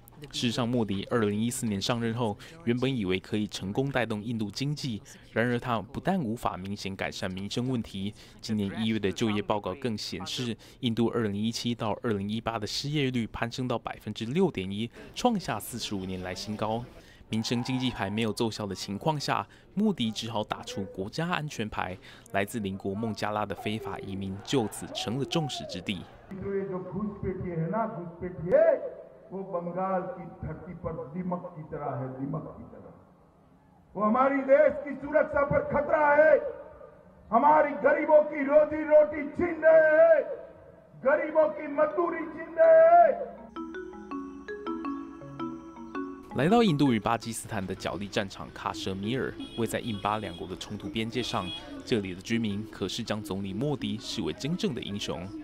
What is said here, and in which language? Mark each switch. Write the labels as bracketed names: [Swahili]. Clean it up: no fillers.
[Chinese] 事实上，莫迪2014年上任后，原本以为可以成功带动印度经济，然而他不但无法明显改善民生问题，今年1月的就业报告更显示，印度2017到2018的失业率攀升到6.1%，创下45年来新高。民生经济牌没有奏效的情况下，莫迪只好打出国家安全牌，来自邻国孟加拉的非法移民就此成了众矢之的。 [Hindi] वो बंगाल की धरती पर दीमक की तरह है, दीमक की तरह। वो हमारी देश की सुरक्षा पर खतरा है, हमारी गरीबों की रोजी रोटी छीन रहे हैं, गरीबों की मजदूरी छीन रहे हैं। [Chinese] 来到印度与巴基斯坦的角力战场喀什米尔，位在印巴两国的冲突边界上，这里的居民可是将总理莫迪视为真正的英雄。